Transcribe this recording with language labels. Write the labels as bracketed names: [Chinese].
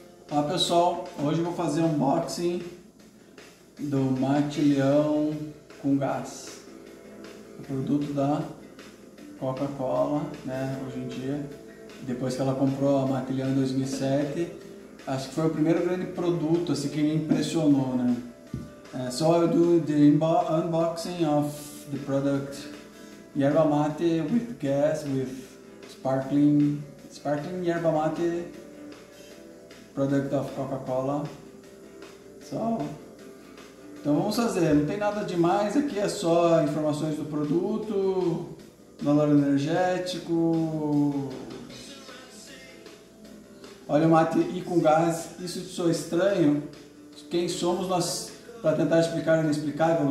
[Portuguese] Olá pessoal, hoje eu vou fazer um unboxing do Mate Leão com gás, o produto da Coca-Cola, né, hoje em dia, depois que ela comprou a Mate Leão em 2007, acho que foi o primeiro grande produto assim, que me impressionou, né. [English] So I'll do the unboxing of the product Yerba Mate with gas, with sparkling Yerba Mate. Product of Coca-Cola. [Portuguese] Então vamos fazer, não tem nada demais aqui, é só informações do produto, valor energético. Olha o mate e com gás, isso soa estranho? Quem somos nós para tentar explicar o inexplicável?